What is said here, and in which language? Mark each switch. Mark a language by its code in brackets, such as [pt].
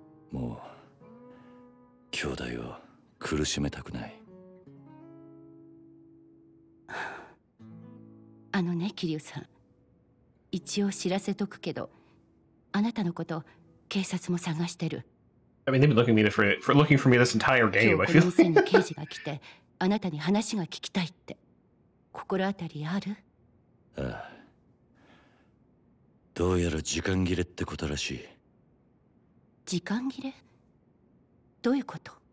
[ja] もう、兄弟を苦しめたくない。あのね、キリュウさん、一応知らせとくけど、あなたのこと警察も探してる。 [en] I mean, they've been looking for me this entire game. [ja] 今日この線の刑事が来て、あなたに話が聞きたいって。心当たりある？ああ。どうやら時間切れってことらしい。時間切れ？どういうこと？